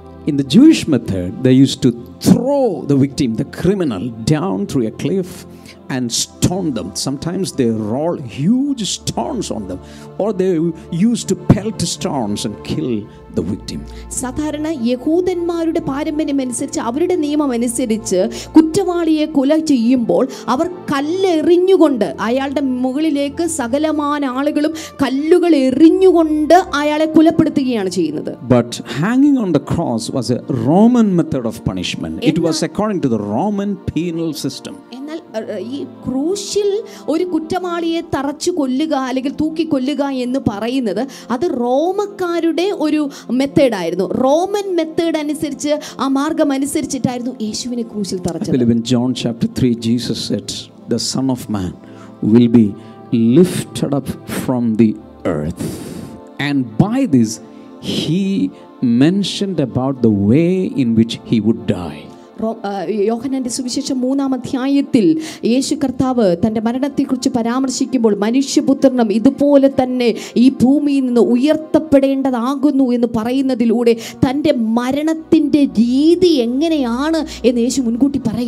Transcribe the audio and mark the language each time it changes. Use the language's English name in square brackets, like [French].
[English] In the Jewish method, they used to throw the victim, the criminal, down through a cliff and stone them. Sometimes they roll huge stones on them, or they used to pelt stones and kill the victim. [Malayalam] സാധാരണ യഹൂദന്മാരുടെ പാരമ്പര്യം അനുസരിച്ച് അവരുടെ നിയമം അനുസരിച്ച് കുറ്റവാളിയെ കൊല ചെയ്യുമ്പോൾ അവർ കല്ലെറിഞ്ഞുകൊണ്ട് അയാളുടെ മുകളിലേക്ക് സകലമാന ആളുകളും കല്ലുകൾ എറിഞ്ഞുകൊണ്ട് അയാളെ കൊലപ്പെടുത്തുകയാണ് ചെയ്യുന്നത്. [English] But hanging on the cross was a Roman method of punishment. It was according to the Roman penal system. [Malayalam] ഈ ക്രൂശിൽ ഒരു കുറ്റവാളിയെ തറച്ചു കൊല്ലുക അല്ലെങ്കിൽ തൂക്കി കൊല്ലുക എന്ന് പറയുന്നത് അത് റോമക്കാരുടെ ഒരു മെത്തേഡായിരുന്നു. റോമൻ മെത്തേഡ് അനുസരിച്ച് ആ മാർഗം അനുസരിച്ചിട്ടായിരുന്നു യേശുവിനെ ക്രൂശിൽ തറച്ചത്. [English] In John chapter 3, Jesus said, the Son of Man will be lifted up from the earth. And by this, he mentioned about the way in which he would die. [Malayalam] യോഹന്നാന്റെ സുവിശേഷം 3-ാം അധ്യായത്തിൽ യേശു കർത്താവ് തൻ്റെ മരണത്തെക്കുറിച്ച് പരാമർശിക്കുമ്പോൾ മനുഷ്യപുത്രനും ഇതുപോലെ തന്നെ ഈ ഭൂമിയിൽ നിന്ന് ഉയർത്തപ്പെടേണ്ടതാകുന്നു എന്ന് പറയുന്നതിലൂടെ തൻ്റെ മരണത്തിൻ്റെ രീതി എങ്ങനെയാണ് എന്ന് യേശു മുൻകൂട്ടി